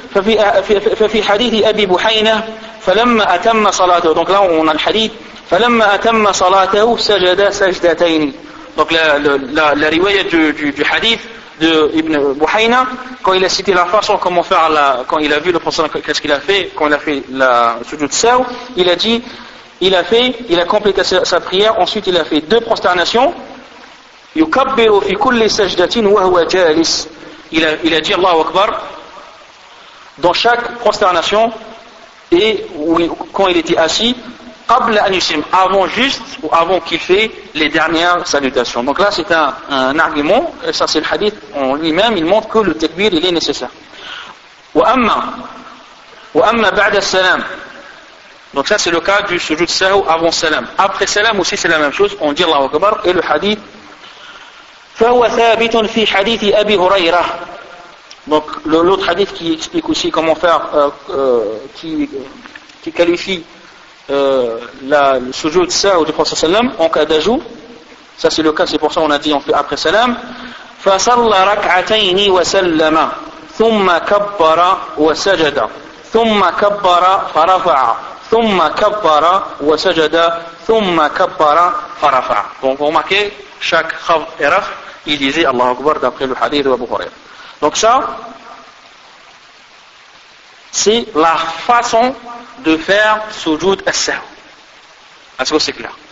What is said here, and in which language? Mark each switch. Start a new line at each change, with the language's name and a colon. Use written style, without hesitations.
Arabic: ففي حديث أبي بحينة فلما أتم صلاته.
French: Donc là on a le hadith.
Arabic: فلما أتم صلاته سجد سجدتين.
French: Donc la riwaya du hadith de Ibn بحينة, quand il a cité la façon comment faire quand il a vu le prophète, qu'est-ce qu'il a fait quand il a fait la sujoud sahw, il a dit il a complété sa prière, ensuite il a fait deux prosternations.
Arabic: Yukabbiru fi kulli sajdatin wa huwa jalis.
French: Il a dit Allahu Akbar dans chaque prosternation et quand il était assis,
Arabic: qabla an yusim,
French: avant juste ou avant qu'il fait les dernières salutations. Donc là c'est un argument, et ça c'est le hadith en lui-même, il montre que le takbir il est nécessaire.
Arabic: Wa amma ba'da salam.
French: Donc ça c'est le cas du sujud sahou avant salam. Après salam aussi c'est la même chose, on dit Allahu Akbar et le hadith.
Arabic: فهو ثابت في حديث أبي هريرة.
French: Donc l'autre hadith qui explique aussi comment faire, qui qualifie le sujoud sahou du prophète sallam en cas d'ajout. Ça c'est le cas, c'est pour ça qu'on a dit on fait après salam.
Arabic: فصلى ركعتين وسلم ثم كبر وسجد ثم كبر فرفع ثم كبر وسجد ثم كبر فرفع.
French: Donc vous remarquez chaque khaf et raf. Il disait Allahu Akbar d'après le hadith de Abu Hurayra. Donc ça, c'est la façon de faire sujoud as-sahw. Est-ce que c'est clair?